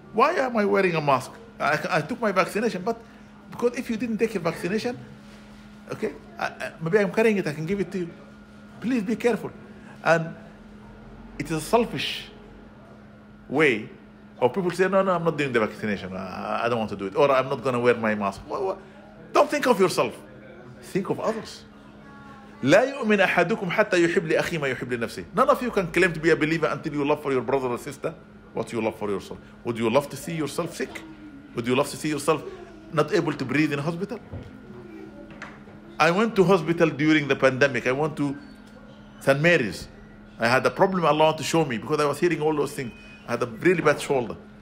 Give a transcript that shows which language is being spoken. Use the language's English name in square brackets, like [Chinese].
[English] Why am I wearing a mask? I took my vaccination. But because if you didn't take your vaccination, okay, maybe I'm carrying it, I can give it to you. Please be careful. And it is a selfish way of people saying, no, I'm not doing the vaccination. I don't want to do it. Or I'm not going to wear my mask. What? Don't think of yourself. Think of others. [Arabic] لا يؤمن أحدكم حتى يحب لأخي ما يحب لنفسه. [English] None of you can claim to be a believer until you love for your brother or sister what you love for yourself. Would you love to see yourself sick? Would you love to see yourself not able to breathe in a hospital? I went to hospital during the pandemic. I went to St. Mary's. I had a problem Allah wanted to show me because I was hearing all those things. I had a really bad shoulder.